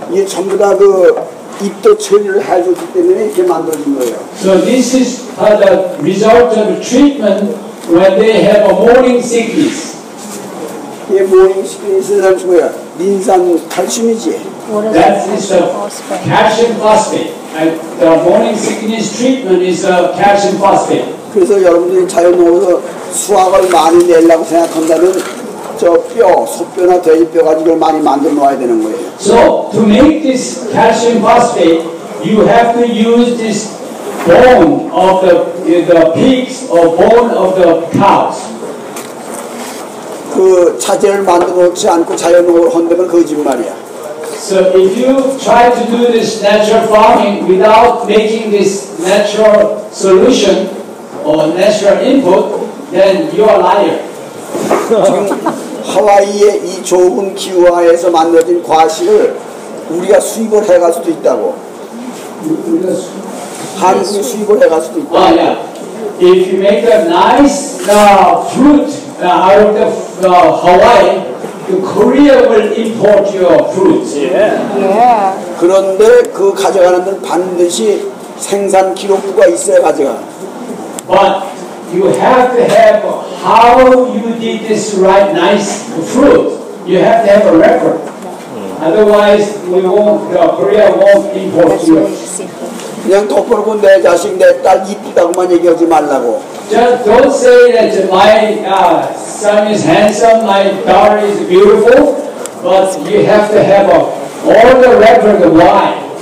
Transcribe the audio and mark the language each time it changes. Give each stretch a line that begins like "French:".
Korean: 이게 전부 다 그 잎도 처리를 해줬기 때문에 이렇게 만들어진 거예요.
English: So this is the result of treatment when they have a morning sickness.
Korean: 이 morning sickness란 뭐야? 린산 칼슘이지.
English: That is a calcium phosphate. And the morning sickness treatment is a calcium phosphate.
Korean: 그래서 여러분들이 자연농에서 수확을 많이 내려고 생각한다면 저 뼈, 소뼈나 돼지뼈 가지고 많이 만들어 놓아야 되는 거예요.
English: So to make this calcium phosphate, you have to use this bone of the pigs or bone of the cows.
Korean: 그 자재를 만들어 놓지 않고 자연농으로 한다면 거짓말이야.
English: So if you try to do this natural farming without making this natural solution or natural input, then you are liar.
Korean: 지금 하와이의 이 좋은 기후에서 만들어진 과실을 우리가 수입을 해갈 수도 있다고. 한국 수입을 해갈 수도 있다.
English: Oh, yeah. If you make a nice fruit out of Hawaii, Korea will import your fruits. Yeah. Yeah.
Korean: 그런데 그 가져가는 데는 반드시 생산 기록부가 있어야 가져가.
English: But you have to have how you did this right nice fruit. You have to have a record. Otherwise, we won't. Korea won't import you.
Korean: 그냥 덮어놓고 내 자식 내 딸 이쁘다고만 얘기하지 말라고.
English: Just don't say that my son is handsome, my daughter is beautiful, but you have to have all the record why.